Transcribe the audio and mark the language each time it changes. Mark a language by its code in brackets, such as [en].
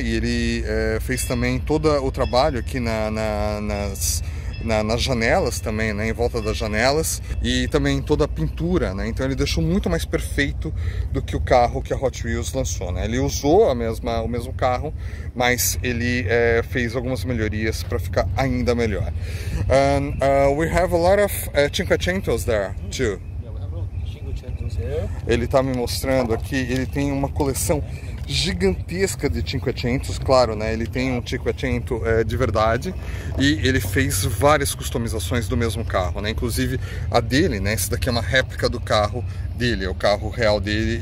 [pt] E ele fez também todo o trabalho aqui nas janelas também, né, em volta das janelas, e também toda a pintura, né? Então ele deixou muito mais perfeito do que o carro que a Hot Wheels lançou, né? Ele usou o mesmo carro, mas ele fez algumas melhorias para ficar ainda melhor. [en] And, we have a lot of Cinquecentos there too. Yeah, we have a Cinquecentos here. [pt] Ele está me mostrando aqui, ele tem uma coleção gigantesca de Cinquecentos, claro, né? Ele tem um Cinquecento de verdade e ele fez várias customizações do mesmo carro, né? Inclusive a dele, né? Esse daqui é uma réplica do carro dele, é o carro real dele.